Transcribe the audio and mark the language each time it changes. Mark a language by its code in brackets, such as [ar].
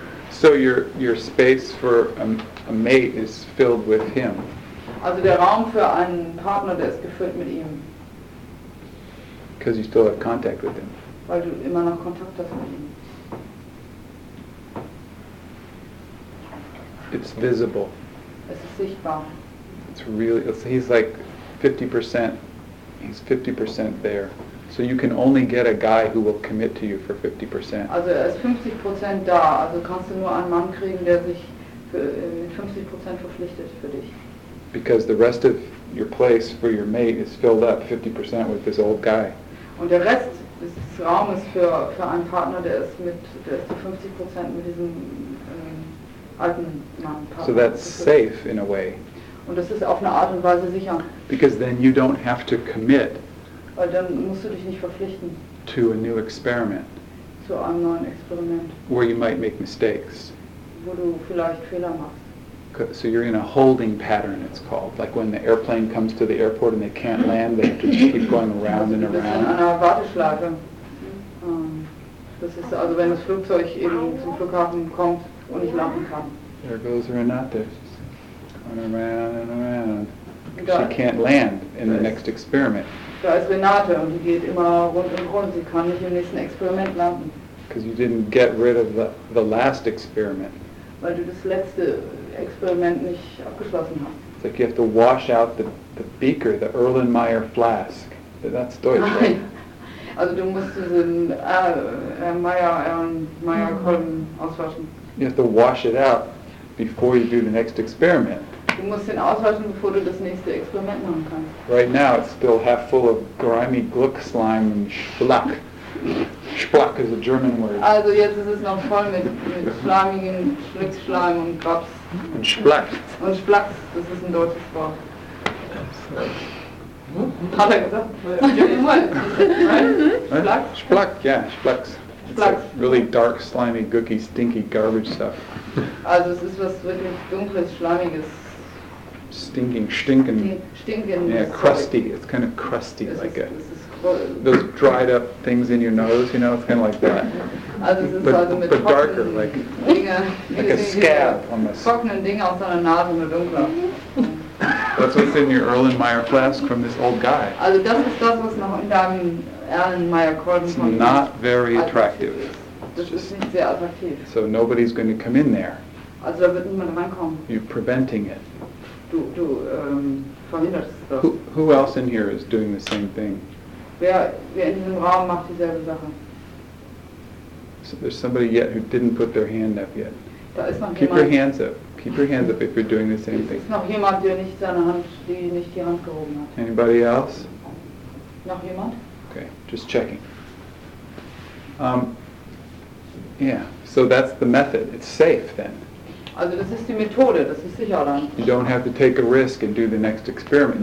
[en] So your space for a mate is filled with him. [de] Also der Raum für einen Partner, der ist gefüllt mit ihm. [en] Because you still have contact with him. [de] Weil du immer noch Kontakt hast mit ihm. [en] It's visible. [de] Es ist sichtbar. [en] It's really, he's like 50%, he's 50% there. So you can only get a guy who will commit to you for 50%. [de] Also er ist 50% da, also kannst du nur einen Mann kriegen, der sich mit 50% verpflichtet für dich. [en] Because the rest of your place for your mate is filled up 50% with this old guy. [de] Und der Rest des Raumes für einen Partner, der ist zu 50% mit diesem alten Mann Partner. [en] So that's safe in a way. [de] Und das ist auf eine Art und Weise sicher. [en] Because then you don't have to commit. [de] Weil dann musst du dich nicht verpflichten. [en] To a new experiment. [de] Zu einem neuen Experiment. [en] Where you might make mistakes. [de] Wo du vielleicht Fehler machst. [en] So you're in a holding pattern, it's called. Like when the airplane comes to the airport and they can't land, they have to just keep going around and around. [de] Das ist eine Warteschleife. Das ist also, wenn das Flugzeug eben zum Flughafen kommt und nicht landen kann. [en] There goes Renata. She's going around and around. She can't land in the next experiment. [de] Da ist Renata und die geht immer rund und rund. Sie kann nicht im nächsten Experiment landen. [en] Because you didn't get rid of the last experiment. [de] Weil du das letzte Experiment nicht abgeschlossen hast. [en] It's like you have to wash out the beaker, the Erlenmeyer flask. That's Deutsch, right? [de] Also du musst diesen Erlenmeyer-Kolben auswaschen. [en] You have to wash it out before you do the next experiment. [de] Du musst den auswaschen, bevor du das nächste Experiment machen kannst. [en] Right now it's still half full of grimy Gluck slime and schluck. Schluck is a German word. [de] Also jetzt ist es noch voll mit schlammigen Schlitzschleim und Grabs. Und Schluck. Und Schluck, das ist ein deutsches Wort. Hat er gesagt? Schluck? [en] Schluck, yeah, Schluck. Schluck. Really dark, slimy, gooky, stinky, garbage stuff. [de] Also es ist was wirklich dunkles, schlammiges. [en] Stinking, stinking. Stinking. Yeah, crusty. It's kind of crusty, es like it. Those dried up things in your nose, you know, it's kind of like that. [de] Also, [en] but darker, like, like a scab on the side. That's what's in your Erlenmeyer flask from this old guy. [de] Also, das ist das, was noch in deinem Erlenmeyer-Kolben [en] ist. It's not very attractive. [de] Das ist nicht sehr attraktiv. [en] So nobody's going to come in there. [de] Also, da wird niemand reinkommen. [en] You're preventing it. [de] Du verhinderst das. [en] Who else in here is doing the same thing? [de] Wer in diesem Raum macht dieselbe Sache? [en] So there's somebody yet who didn't put their hand up yet. [de] Da ist noch [en] keep your hands up. Keep your hands up if you're doing the same thing. [de] Es ist noch jemand, der nicht seine Hand, die nicht die Hand gehoben hat. [en] Anybody else? [de] Noch jemand? [en] Okay, just checking. Yeah, so that's the method. It's safe then. [de] Also das ist die Methode, das ist sicher dann. [en] You don't have to take a risk and do the next experiment.